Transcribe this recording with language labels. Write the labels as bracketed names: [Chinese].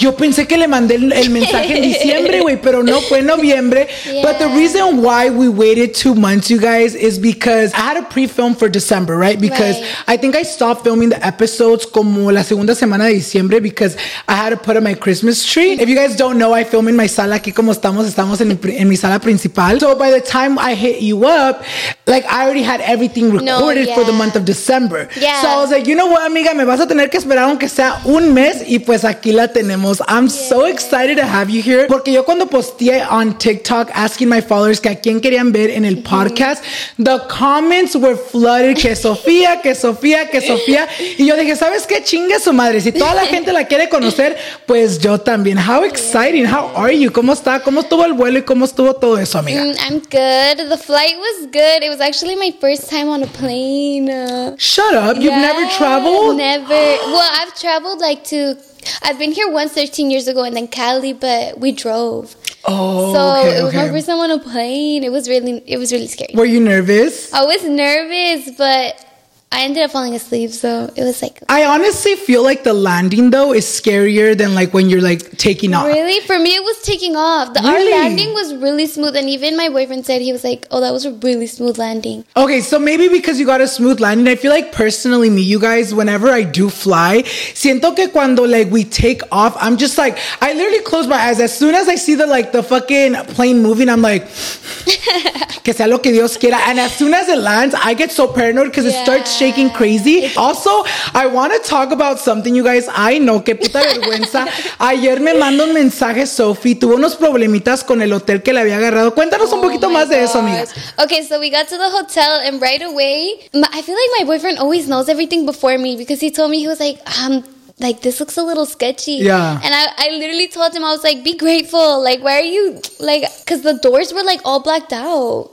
[Spanish] Yo pensé que le mandé el mensaje en diciembre, güey, pero no, fue en noviembre. [English] Yeah. But the reason why we waited 2 months, you guys, is because I had a pre-film for December, right? Because right. I think I stopped filming the episodes [Spanish] como la segunda semana de diciembre [English] because I had to put up my Christmas tree. If you guys don't know, I film in my [Spanish] sala aquí como estamos en mi sala principal. [English] So by the time I hit you up, like, I already had everything recorded for the month of December. Yeah. So I was like, you know what, [Spanish] amiga, me vas a tener que esperar aunque sea un mes, y pues aquí la tenemos. [English] I'm so excited to have you here, [Spanish] porque yo cuando posteé [English] on TikTok asking my followers [Spanish] que a quién querían ver en el podcast, [English] the comments were flooded, [Spanish] que Sofía, que Sofía, que Sofía, y yo dije, ¿sabes qué? Chingue su madre, si toda la gente la quiere conocer, pues yo también. [English] How exciting, how are you? [Spanish] ¿Cómo está? ¿Cómo estuvo el vuelo y cómo estuvo todo eso, amiga? [English] I'm good, the flight was good, it was actually my first time on a plane. Shut up, you've never traveled? Never. Well, I've traveled like to, I've been here once 13 years ago and then Cali, but we drove. Oh, so okay. It was my first time on a plane. It was really scary. Were you nervous? I was nervous, but I ended up falling asleep, so it was like... I honestly feel like the landing, though, is scarier than like when you're like taking off. Really? For me, it was taking off. Our landing was really smooth, and even my boyfriend said, he was like, oh, that was a really smooth landing. Okay, so maybe because you got a smooth landing, I feel like personally, me, you guys, whenever I do fly, [Spanish] siento que cuando [English] like we take off, I'm just like, I literally close my eyes. As soon as I see the like the fucking plane moving, I'm like, [Spanish] que sea lo que Dios quiera. [English] And as soon as it lands, I get so paranoid because it starts shaking crazy. Also, I want to talk about something, you guys. I know, [Spanish] que puta vergüenza. Ayer me mandó un mensaje, Sofi. Tuvo unos problemitas con el hotel que le había agarrado. Cuéntanos un poquito más de eso, amiga. [English] Okay, so we got to the hotel, and right away, I feel like my boyfriend always knows everything before me because he told me, he was like, like, this looks a little sketchy. Yeah. And I literally told him, I was like, be grateful. Like, why are you, like, because the doors were, like, all blacked out.